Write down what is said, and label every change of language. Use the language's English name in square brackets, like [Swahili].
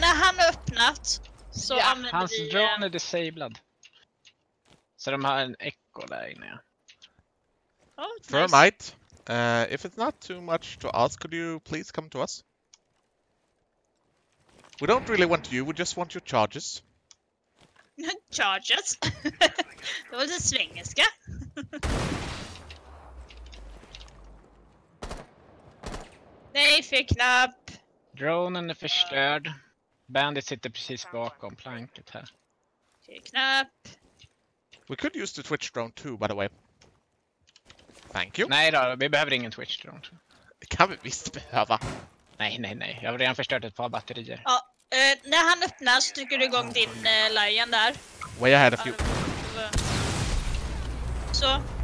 [Swedish] När han har öppnat så yeah, använder hans vi... Hans drone är disabled. Så de har en echo där inne. Oh, [English] for nice. A mate, if it's not too much to ask, could you please come to us? We don't really want you, we just want your charges. Not charges? [Swedish] Det var lite svengelska. Nej, fel knapp! Dronen är förstörd. Bandit sitter precis bakom planket här. Fel knapp! [English] We could use the Twitch drone too, by the way. Thank you. [Swedish] Nej då, vi behöver ingen Twitch drone. Det kan vi visst behöva. Nej. Jag har redan förstört ett par batterier. Ja, när han öppnar så trycker du igång din lion där. [English] Way ahead of you. [Swedish] Så.